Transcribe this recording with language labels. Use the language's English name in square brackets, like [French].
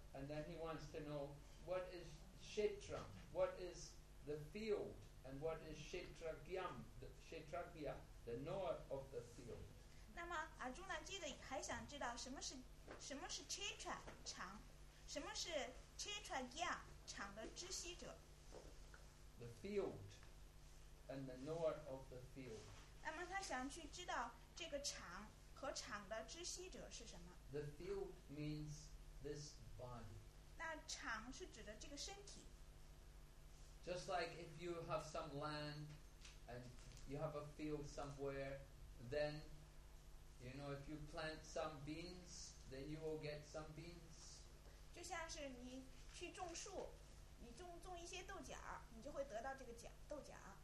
[English] And then he wants to know what is Kshetra, what is the field, and what is Kshetragyam, Kshetragya, the knower of the field. [Chinese] 那么 Arjuna 接着还想知道什么是 Kshetra 场，什么是 Kshetragya 场的知悉者。 [English] The field and the knower of the field. [Chinese] 那么他想去知道这个场和场的知悉者是什么。 [English] The field means this body. [Chinese] 那场是指的这个身体。 [English] Just like if you have some land and you have a field somewhere, then, you know, if you plant some beans, then you will get some beans. [Chinese] 就像是你去种树。你 种一些豆角，你就会得到这个豆角。